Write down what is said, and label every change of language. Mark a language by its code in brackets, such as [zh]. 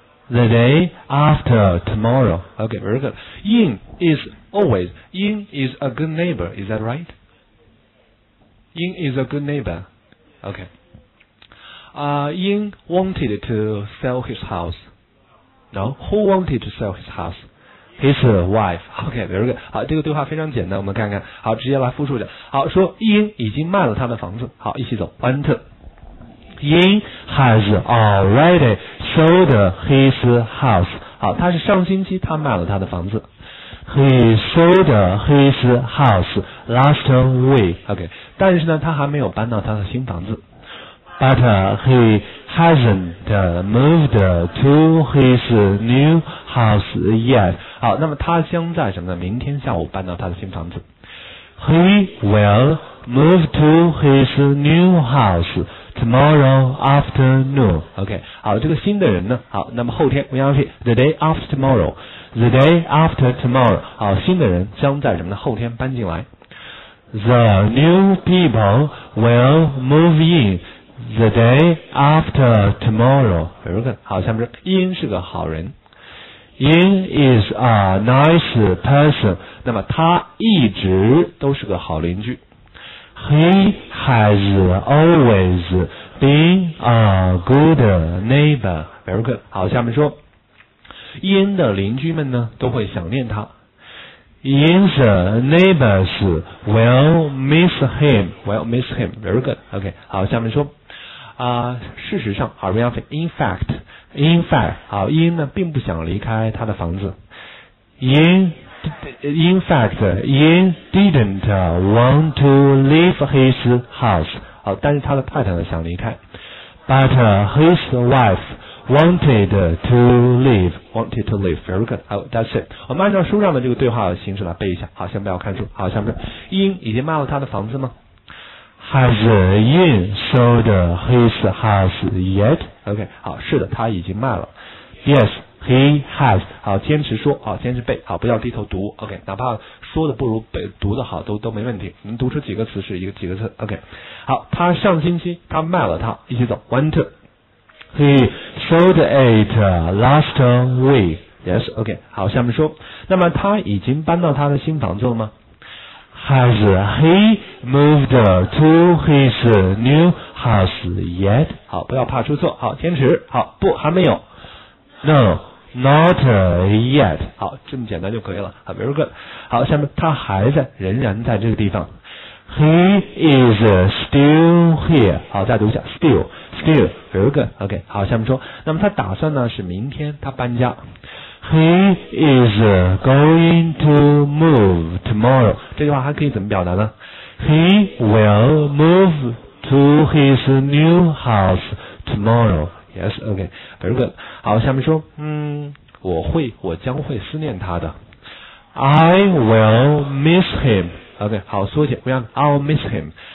[en] The day after tomorrow. Okay, very good. Ian is a good neighbor, is that right? Ian is a good neighbor. Okay. Ian wanted to sell his house. No, who wanted to sell his house? His wife. Okay, very good. [zh] 好，这个对话非常简单，我们看看。好，直接来复述一下。好，说 Ian 已经卖了他的房子。好，一起走。 [en] One, two. Ian has already sold his house. [zh] 好，他是上星期他买了他的房子。 [en] He sold his house last week. [zh] OK， 但是呢，他还没有搬到他的新房子。 [en] But he hasn't moved to his new house yet. [zh] 好，那么他将在什么呢？明天下午搬到他的新房子。 [en] He will move to his new house tomorrow afternoon. [zh] OK， 好，这个新的人呢？好，那么后天 [en] ，we are the day after tomorrow。 The day after tomorrow， [zh] 好，新的人将在什么呢？后天搬进来。 [en] The new people will move in the day after tomorrow. Very good. [zh] 好，下面是 In 是个好人。 [en] In is a nice person. [zh] 那么他一直都是个好邻居。 [en] He has always been a good neighbor. Very good. [zh] 好，下面说。 In 的邻居们呢都会想念他。 [en] In's neighbors will miss him. Will miss him. Very good. OK. [zh] 好，下面说。事实上 , [en] in fact, [zh] 好 ,in 呢并不想离开他的房子。 [en] In fact, in didn't want to leave his house. [zh] 好，但是他的太太呢想离开。 [en] But his wife,Wanted to leave. Very good. Oh, that's it. [zh] 我们按照书上的这个对话形式来背一下。好，先不要看书。好，下面，In 已经卖了他的房子吗 ？ [en] Has In sold his house yet? [zh] OK. 好，是的，他已经卖了。 [en] Yes, he has. [zh] 好，坚持说。好，坚持背。好，不要低头读。OK. 哪怕说的不如背读的好，都没问题。你读出几个词是一个几个词。 [en] OK. [zh] 好，他上星期他卖了他，一起走。 [en] Went to. He sold it last week. Yes, OK. [zh] 好，下面说，那么他已经搬到他的新房子了吗？ [en] Has he moved to his new house yet? [zh] 好，不要怕出错。好，坚持。好，不，还没有。 [en] No, not yet. [zh] 好，这么简单就可以了。好， [en] very good. [zh] 好，下面他还在，仍然在这个地方。 [en] He is still here. [zh] 好，再读一下 ,still, [en] very good. [zh] OK, 好，下面说，那么他打算呢是明天他搬家。 [en] He is going to move tomorrow. [zh] 这句话还可以怎么表达呢？ [en] He will move to his new house tomorrow. Yes, OK, very good. [zh] 好，下面说，我将会思念他的。 [en] I will miss him. OK, [zh] 好，缩写，不要 [en] I'll miss him.